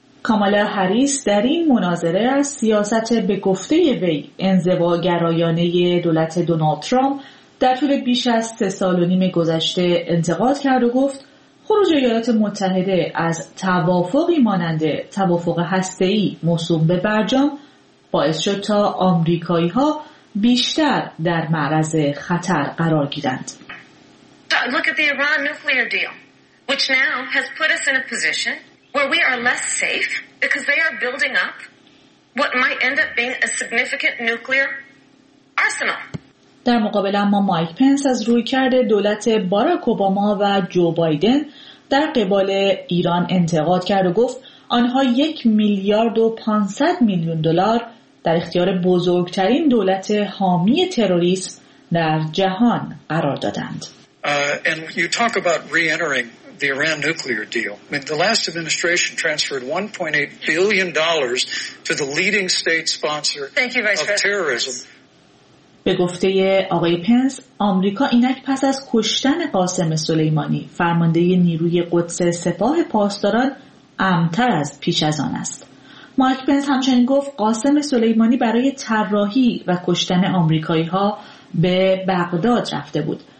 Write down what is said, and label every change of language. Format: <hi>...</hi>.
<fa>کامالا هریس در این مناظره از سیاست به گفته وی انزواگرایانه دولت دونالد ترامپ در طول بیش از 3.5 سال گذشته انتقاد کرد و گفت خروج ایالات متحده از توافقی مانند توافق هسته‌ای موسوم به برجام باعث شد تا آمریکایی‌ها بیشتر در معرض خطر قرار گیرند.</fa> <en>Look at the Iran nuclear deal, which now has put us in a position where we are less safe because they are building up what might end up being a significant nuclear arsenal.</en> <fa>در مقابل اما مایک پنس از رویکرد دولت باراک اوباما و جو بایدن در قبال ایران انتقاد کرد و گفت آنها 1.5 میلیارد دلار در اختیار بزرگترین دولت حامی تروریسم در جهان قرار دادند.</fa> <en>And you talk about re-entering the Iran nuclear deal. I mean, the last administration transferred $1.8 billion to the leading state sponsor of terrorism.</en> <fa>به گفته آقای پنس، آمریکا اینک پس از کشتن قاسم سلیمانی، فرمانده نیروی قدس سپاه پاسداران، امتر از پیش از آن است. مایک پنس همچنین گفت قاسم سلیمانی برای طراحی و کشتن آمریکایی‌ها به بغداد رفته بود.</fa>